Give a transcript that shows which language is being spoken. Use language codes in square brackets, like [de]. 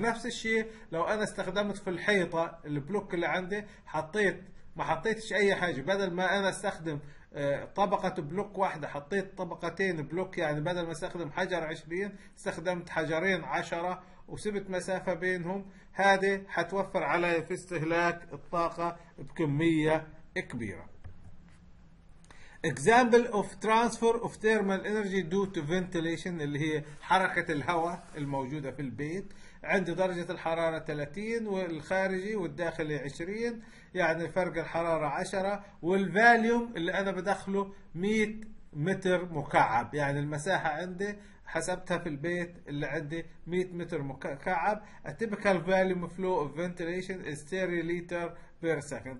[ar] نفس الشيء لو انا استخدمت في الحيطه البلوك اللي عندي، ما حطيتش اي حاجه، بدل ما انا استخدم طبقة بلوك واحدة حطيت طبقتين بلوك، يعني بدل ما استخدم حجر 20 استخدمت حجرين 10 وسبت مسافة بينهم، هذه حتوفر علي في استهلاك الطاقة بكمية كبيرة. [en] Example of transfer of thermal energy due to ventilation، [ar] اللي هي حركة الهواء الموجودة في البيت. عندي درجة الحرارة 30 والخارجي والداخلي 20، يعني فرق الحرارة 10، والفاليوم اللي أنا بدخله 100 متر مكعب، يعني المساحة عندي حسبتها في البيت اللي عندي 100 متر مكعب. [en] A typical volume flow of ventilation is 30 liter per second.